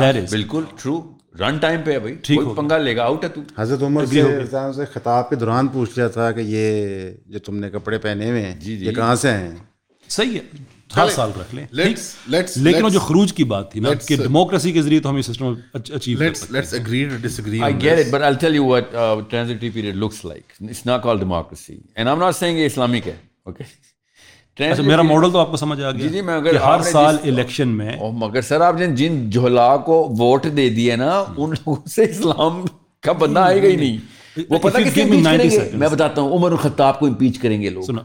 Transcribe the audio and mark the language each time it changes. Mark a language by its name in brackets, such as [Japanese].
[Urdu] بالکل true, run time پہ ہے بھائی, کوئی پنگا لے گا, آؤٹ ہے تو. حضرت عمر سے خطاب کے دوران پوچھ لیا تھا کہ یہ جو تم نے کپڑے پہنے ہوئے ہیں یہ کہاں سے ہیں؟ صحیح ہے, ہر سال رکھ لیں. لیکن جو خروج کی بات تھی نا کہ ڈیموکریسی کے ذریعے تو ہم یہ سسٹم اچیو کر سکتے ہیں. [English] Let's agree to disagree. I get it, but I'll tell you what transitory period looks like. It's not called democracy. And I'm not saying Islamic ہے. Okay. [Urdu] میرا ماڈل تو آپ کو سمجھ آ گیا. جی, میں ہر سال الیکشن میں, مگر سر آپ نے جن جھولا کو ووٹ دے دیے نا ان لوگوں سے اسلام کا بندہ آئے گا ہی نہیں. وہ پتہ میں بتاتا ہوں, عمر خطاب کو امپیچ کریں گے لوگ,